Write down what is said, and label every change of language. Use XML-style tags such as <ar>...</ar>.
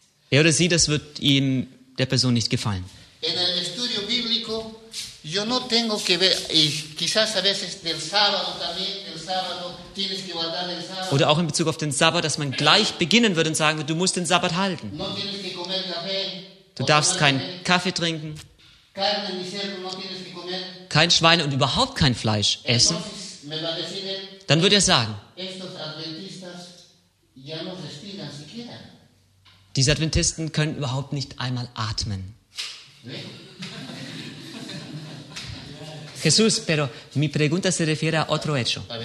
<de>Er oder sie, das wird ihm, der Person, nicht gefallen.</de> <es>En el estudio bíblico, yo no tengo que ver, y quizás a veces del sábado también, del sábado tienes que guardar el sábado.</es> <de>Oder auch in Bezug auf den Sabbat, dass man gleich beginnen würde und sagen würde, du musst den Sabbat halten.</de> <es>No tienes que comer café.</es> <de>Du darfst keinen Kaffee trinken.</de> <es>Carne ni cerdo, no tienes que comer.</es> <de>Kein Schweine und überhaupt kein Fleisch essen.</de> <es>Entonces, me va a decir,</es> <de>dann würde er sagen,</de> <es>estos adventistas ya no respiran siquiera.</es> <de>Diese Adventisten können überhaupt nicht einmal atmen.</de> <es>Jesús, pero mi pregunta se refiere a otro hecho.</es>